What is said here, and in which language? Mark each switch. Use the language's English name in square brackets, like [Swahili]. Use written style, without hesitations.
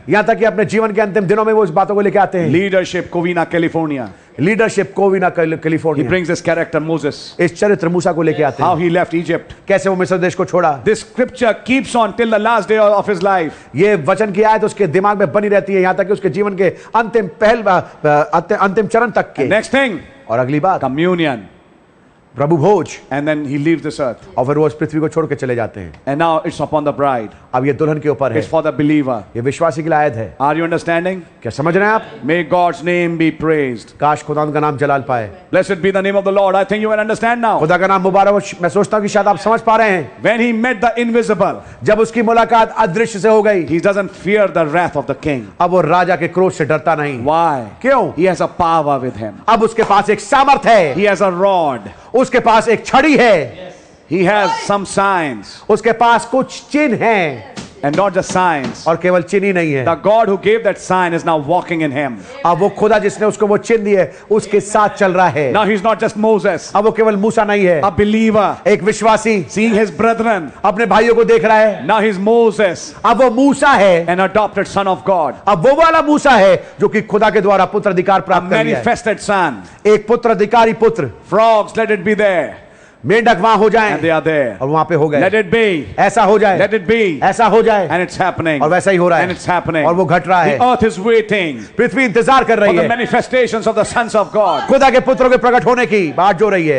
[Hindi] यहाँ तक कि अपने जीवन के अंतिम दिनों में वो इस बातों को लेके आते हैं। [English] Leadership, Covina, California. Leadership, Covina, California. He brings this character Moses. [Hindi] इस चरित्र मूसा को लेके आते हैं। [English] How he left Egypt. [Hindi] कैसे वो मिस्र देश को छोड़ा। [English] This scripture keeps on till the last day of his life. [Hindi] ये वचन की आयत उसके दिमाग में बनी रहती है यहाँ तक कि उसके जीवन के अंतिम चरण तक के। [English] Next thing. [Hindi] और अगली बात। [English] Communion. [Hindi] Prabhu Bhoj. [English] And then he leaves this earth. [Hindi] और फिर वो इस पृथ्वी को छोड़ के चले जाते हैं। [English] And now it's upon the bride. [Hindi] अब ये दुल्हन के ऊपर है। [English] It's for the believer. [Hindi] ये विश्वासी के लिए आयत है। [English] Are you understanding? [Hindi] क्या समझ रहे हैं आप? [English] May God's name be praised. [Hindi] काश खुदा का नाम जलाल पाए। [English] Blessed be the name of the Lord. I think you will understand now. [Hindi] खुदा का नाम मुबारक हो। मैं सोचता हूँ कि शायद आप समझ पा रहे हैं। [English] When he met the invisible. [Hindi] जब उसकी मुलाकात अदृश्य से हो गई। [English] He doesn't fear the wrath of the king. [Hindi] अब वो राजा के क्रोध से डरता नहीं। [English] Why? [Hindi] क्यों? [English] He has a power with him. [Hindi] अब उसके पास एक सामर्थ्य है। [English] He has a rod. [Hindi] उसके पास एक छड़ी है। [English] He has some signs. [Hindi] उसके पास कुछ चिन्ह हैं। [English] And not just signs. [Hindi] और केवल चिन्ह ही नहीं है। [English] The God who gave that sign is now walking in him. [Hindi] अब वो खुदा जिसने उसको वो चिन्ह दिए, उसके साथ चल रहा है। [English] Now he's not just Moses. [Hindi] अब वो केवल मूसा नहीं है। [English] A believer. [Hindi] एक विश्वासी। [English] Seeing his brethren. [Hindi] अपने भाइयों को देख रहा है। [English] Now he's Moses. [Hindi] अब वो मूसा है। [English] An adopted son of God. [Hindi] अब वो वाला मूसा है जो कि खुदा के द्वारा पुत्र अधिकार प्राप्त कर लिया है। [English] A manifested son. [Hindi] एक पुत्र अधिकारी पुत्र। [English] Frogs, let it be there. [Hindi] मेंढक वहां हो जाए [English] and they are there. [Hindi] और वहां पे हो गए। [English] Let it be. [Hindi] ऐसा हो जाए। [English] Let it be. [Hindi] ऐसा हो जाए। [English] And it's happening. [Hindi] और वैसा ही हो रहा है। [English] And it's happening. [Hindi] और वो घट रहा है। [English] The earth is waiting. [Hindi] पृथ्वी इंतजार कर रही है। [English] For the manifestations of the sons of God. [Hindi] खुदा के पुत्रों के प्रकट होने की बात जो रही है।